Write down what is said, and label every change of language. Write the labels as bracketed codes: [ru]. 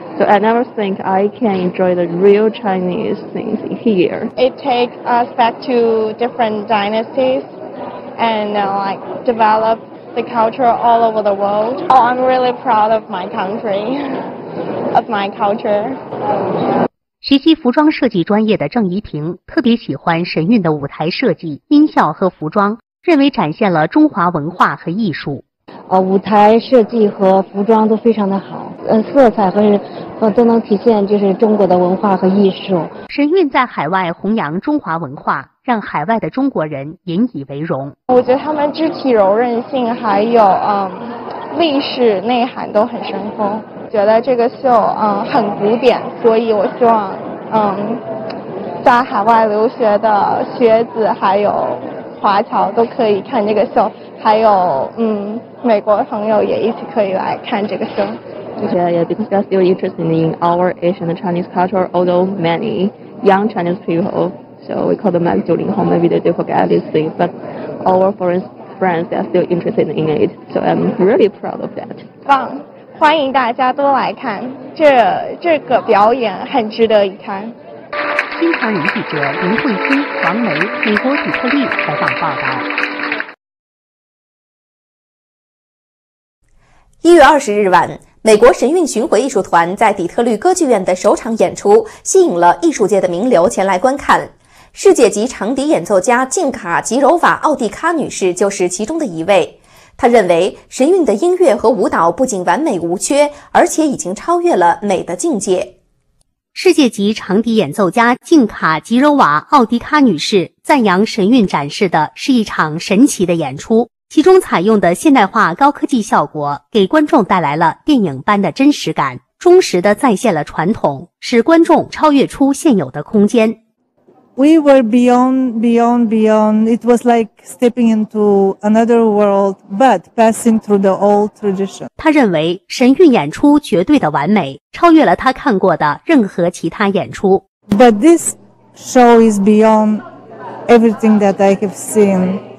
[en] So I never think I can enjoy the real Chinese things here. It takes us back to different dynasties and develop the culture all over the world. Oh, I'm really proud of my country, of my culture. [zh] 学习服装设计专业的郑怡婷特别喜欢神韵的舞台设计、音效和服装，认为展现了中华文化和艺术。舞台设计和服装都非常的好，色彩和都能体现就是中国的文化和艺术。神韵在海外弘扬中华文化，让海外的中国人引以为荣。我觉得他们肢体柔韧性还有历史内涵都很深厚，觉得这个秀很古典，所以我希望在海外留学的学子还有华侨都可以看这个秀，还有美国朋友也一起可以来看这个秀。 [en] Yeah, because they're still interested in our Asian Chinese culture, although many young Chinese people, so we call them as 90s, maybe they forget this thing, but our foreign friends, they're still interested in it, so I'm really proud of that. [zh] 棒，欢迎大家都来看，这个表演很值得一看。新唐人记者林慧欣、黄梅，美国底特律采访报道。 1月20日晚，美国神韵巡回艺术团在底特律歌剧院的首场演出吸引了艺术界的名流前来观看。世界级长笛演奏家静卡·吉柔瓦·奥蒂卡女士就是其中的一位。她认为神韵的音乐和舞蹈不仅完美无缺，而且已经超越了美的境界。世界级长笛演奏家静卡吉柔瓦奥迪卡女士赞扬神韵展示的是一场神奇的演出，其中采用的现代化高科技效果给观众带来了电影般的真实感，忠实地再现了传统，使观众超越出现有的空间。 [en] We were beyond. It was like stepping into another world, but passing through the old tradition. [zh] 他认为神韵演出绝对的完美，超越了他看过的任何其他演出。 [en] But this show is beyond everything that I have seen.